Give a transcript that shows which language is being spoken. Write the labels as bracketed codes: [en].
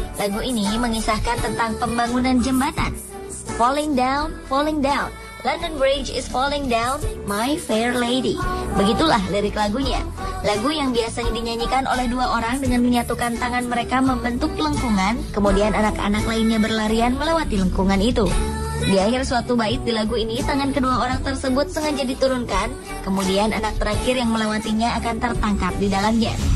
[id] Lagu ini mengisahkan tentang pembangunan jembatan. [en] Falling down, falling down, London Bridge is falling down, my fair lady. [id] Begitulah lirik lagunya. Lagu yang biasanya dinyanyikan oleh 2 orang dengan menyatukan tangan mereka membentuk lengkungan, kemudian anak-anak lainnya berlarian melewati lengkungan itu. Di akhir suatu bait di lagu ini, tangan kedua orang tersebut sengaja diturunkan, kemudian anak terakhir yang melewatinya akan tertangkap di dalamnya.